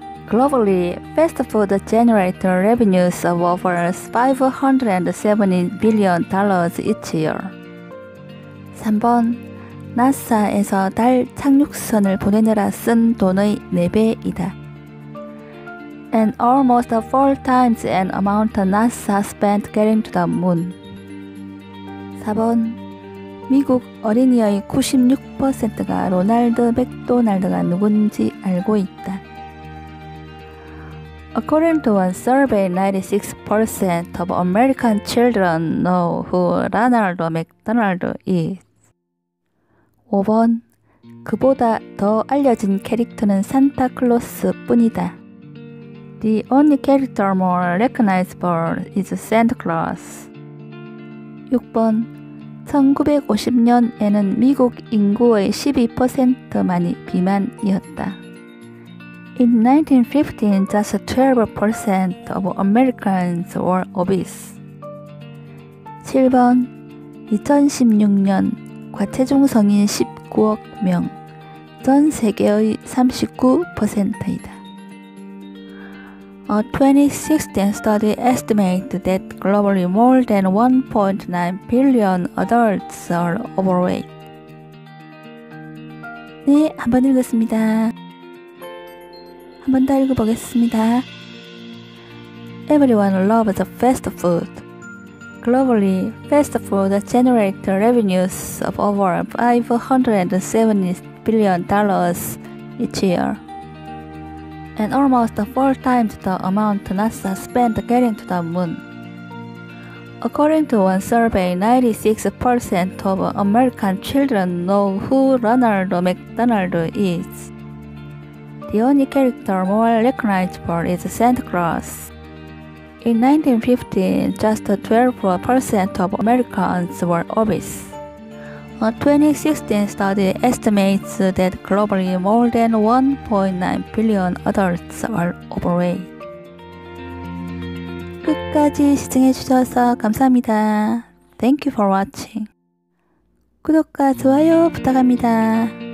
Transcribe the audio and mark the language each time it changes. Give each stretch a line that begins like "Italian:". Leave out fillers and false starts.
English: Globally, fast food generates revenues of over $570 billion each year.
Korean: 3번 나사에서 달 착륙선을 보내느라 쓴 돈의 4배이다.
English: And almost 4 times an amount NASA spent getting to the moon.
Korean: 4번 미국 어린이의 96%가 로날드 맥도날드가 누군지 알고 있다.
English: According to a survey, 96% of American children know who Ronald McDonald is.
Korean: 5번 그보다 더 알려진 캐릭터는 산타클로스뿐이다.
English: The only character more recognizable is Santa Claus.
Korean: 6번 1950년에는 미국 인구의 12%만이 비만이었다.
English: In 1915, just 12% of Americans were obese.
Korean: 7번 2016년 과체중 성인 19억 명, 전 세계의 39%이다.
English: A 2016 study estimated that globally more than 1.9 billion adults are overweight.
Korean: 네, 한번 읽었습니다. 한번 더 읽어보겠습니다.
English: Everyone loves fast food. Globally, fast food generates revenues of over $570 billion each year. And almost 4 times the amount NASA spent getting to the moon. According to one survey, 96% of American children know who Ronald McDonald is. The only character more recognizable is Santa Claus. In 1915, just 12% of Americans were obese. A 2016 study estimates that globally more than 1.9 billion adults are overweight.
Korean: 끝까지 시청해주셔서 감사합니다.
English: Thank you for watching.
Korean: 구독과 좋아요 부탁합니다.